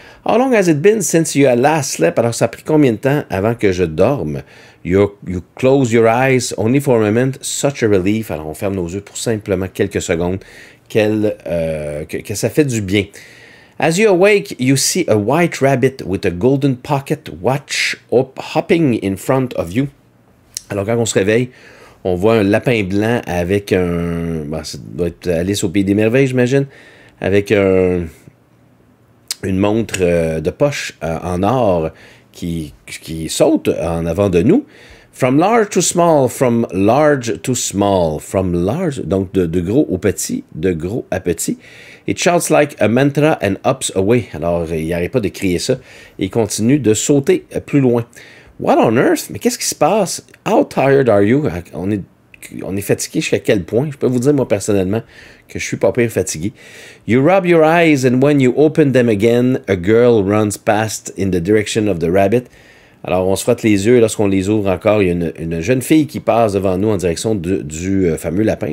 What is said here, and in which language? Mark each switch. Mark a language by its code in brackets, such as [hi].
[en] How long has it been since you last slept? [fr] Alors, ça a pris combien de temps avant que je dorme? [en] You close your eyes only for a moment. Such a relief. [fr] Alors, on ferme nos yeux pour simplement quelques secondes. Que ça fait du bien. [en] As you awake, you see a white rabbit with a golden pocket watch hopping in front of you. [fr] Alors, quand on se réveille, on voit un lapin blanc avec un... Bon, ça doit être Alice au Pays des Merveilles, j'imagine. Avec une montre de poche en or qui saute en avant de nous. [en] From large to small, from large to small, from large... [fr] Donc, de gros au petit, de gros à petit. [en] It shouts like a mantra and hops away. [fr] Alors, il n'arrête pas de crier ça. Il continue de sauter plus loin. [en] What on earth? [fr] Mais qu'est-ce qui se passe? [en] How tired are you? [fr] On est fatigué jusqu'à quel point? Je peux vous dire, moi, personnellement, que je suis pas pire fatigué. [en] You rub your eyes, and when you open them again, a girl runs past in the direction of the rabbit. [fr] Alors, on se frotte les yeux, et lorsqu'on les ouvre encore, il y a une jeune fille qui passe devant nous en direction du fameux lapin.